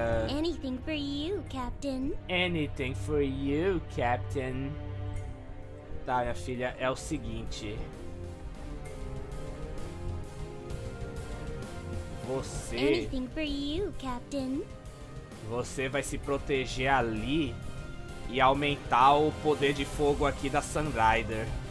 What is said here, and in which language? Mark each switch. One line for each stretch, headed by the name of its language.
English: Anything for you, Captain. Anything for you, Captain.
Portuguese: Tá, minha filha, é o seguinte. Você.
English: Anything for you, Captain.
Portuguese: Você vai se proteger ali e aumentar o poder de fogo aqui da Sunrider.